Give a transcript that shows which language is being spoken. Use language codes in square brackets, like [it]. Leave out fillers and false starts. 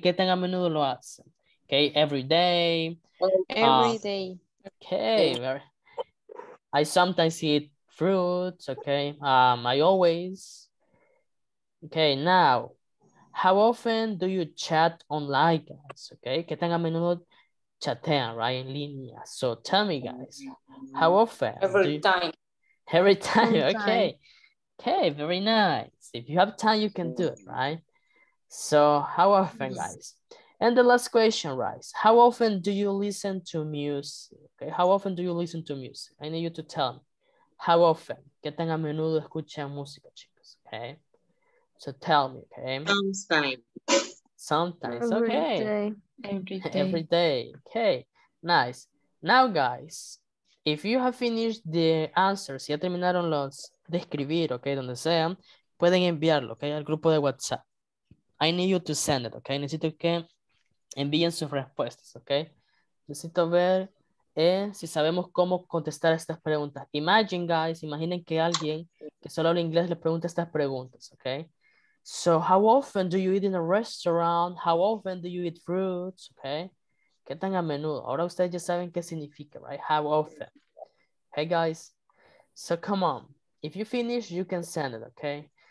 [es] ¿Qué tan a menudo lo hacen? Okay, [en] every day. Every day. Okay. I sometimes eat fruits, okay? I always. Okay, now, how often do you chat online, guys? [es] Okay, ¿qué tan a menudo chatean, right, en línea? [en] So tell me, guys, how often? Every time, okay. Okay, very nice. If you have time, you can do it, right? So how often, guys? And the last question, right? How often do you listen to music? Okay, how often do you listen to music? I need you to tell me. How often? [es] ¿Qué tan a menudo escuchan música, chicos? [en] Okay. So tell me, okay? Sometimes. Every okay. Day. Every day. Okay, nice. Now, guys, if you have finished the answers, [es] ya terminaron los de escribir, okay, donde sean, pueden enviarlo, okay, al grupo de WhatsApp. [en] I need you to send it, okay? [es] Necesito que envíen sus respuestas, [en] okay? [es] Necesito ver si sabemos cómo contestar estas preguntas. [en] Imagine, guys, [es] imaginen que alguien que solo habla inglés le pregunta estas preguntas, okay? [en] So, how often do you eat in a restaurant? How often do you eat fruits? Okay? [es] ¿Qué tan a menudo? Ahora ustedes ya saben qué significa, [en] right? How often? Hey, guys. So, come on. If you finish, you can send it, okay?